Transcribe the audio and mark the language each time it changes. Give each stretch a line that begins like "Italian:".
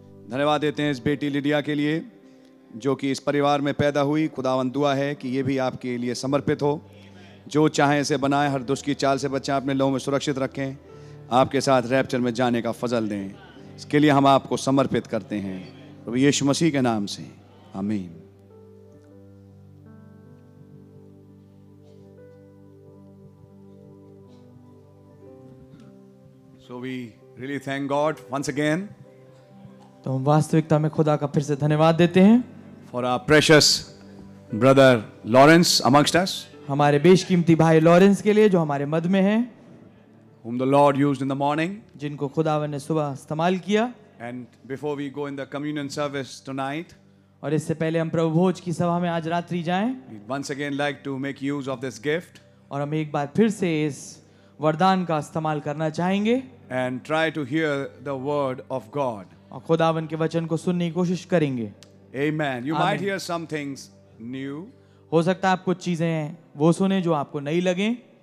Hindi: धन्यवाद देते हैं इस बेटी लिडिया के लिए जो कि इस परिवार में पैदा हुई खुदावंद दुआ है कि ये भी आपके लिए समर्पित हो जो चाहें इसे बनाएं हर दुष्ट की चाल से बचाएं अपने लहू में सुरक्षित रखें आपके साथ रैप्चर में जाने का फजल दें इसके लिए हम आपको समर्पित करते हैं प्रभु यीशु मसीह के नाम से आमीन
English: so we really thank God once again
Hindi: तो हम वास्तविकता में खुदा का फिर से धन्यवाद देते हैं
English: for our precious brother Lawrence amongst us
Hindi: हमारे बेशकीमती भाई लॉरेंस के लिए जो हमारे मद में हैं
English: whom the Lord used in the morning.
Hindi: जिनको खुदावन ने सुबह इस्तेमाल किया.
English: And before we go in the communion service tonight.
Hindi: और इससे पहले हम प्रभु भोज की सभा में आज रात्रि जाएं.
English: We'd once again like to make use of this gift.
Hindi: और हम एक बार फिर से इस वरदान का इस्तेमाल करना चाहेंगे.
English: And try to hear the word of God.
Hindi: और खुदावन के वचन को सुनने की कोशिश करेंगे.
English: Amen. You might hear some things new.
Hindi: हो सकता है आप कुछ चीजें वो सुने जो आपको नई लगें.